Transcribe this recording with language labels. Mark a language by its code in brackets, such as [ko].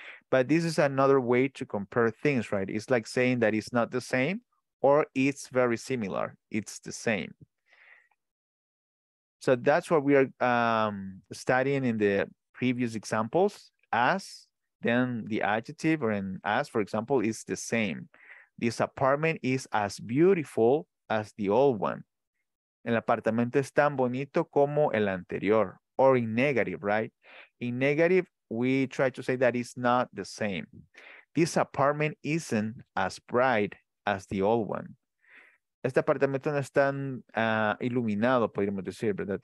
[en] But this is another way to compare things, right? It's like saying that it's not the same or it's very similar. It's the same. So that's what we are studying in the previous examples. As, then the adjective, or in as, for example, is the same. This apartment is as beautiful as the old one. [es] El apartamento es tan bonito como el anterior. [en] Or in negative, right? In negative, we try to say that it's not the same. This apartment isn't as bright as the old one. [es] Este apartamento no es tan iluminado, podríamos decir, ¿verdad?